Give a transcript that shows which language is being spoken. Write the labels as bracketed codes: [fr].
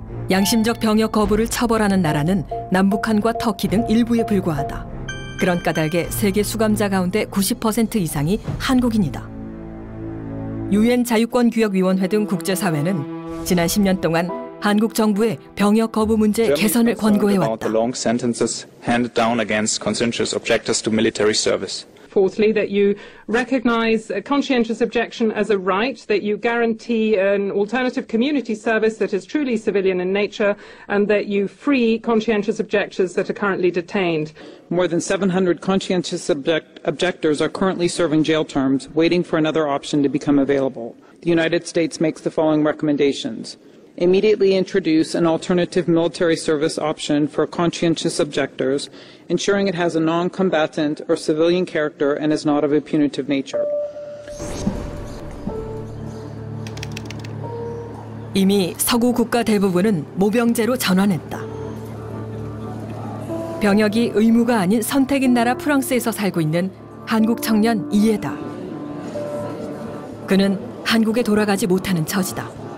[ko] 양심적 병역 거부를 처벌하는 나라는 남북한과 터키 등 일부에 불과하다. 그런 까닭에 세계 수감자 가운데 90% 이상이 한국인이다. 유엔 자유권규약위원회 등 국제사회는 지난 10년 동안 한국 정부의 병역 거부 문제 개선을 권고해왔다. [en] Long sentences handed down against conscientious objectors to military service. Fourthly, that you recognize a conscientious objection as a right, that you guarantee an alternative community service that is truly civilian in nature, and that you free conscientious objectors that are currently detained. More than 700 conscientious objectors are currently serving jail terms, waiting for another option to become available. The United States makes the following recommendations. Immediately introduce an alternative military service option for conscientious objectors, ensuring it has a non-combatant or civilian character and is not of a punitive nature. [ko] 이미 서구 국가 대부분은 모병제로 전환했다. 병역이 의무가 아닌 선택인 나라 프랑스에서 살고 있는 한국 청년 이에다. 그는 한국에 돌아가지 못하는 처지다.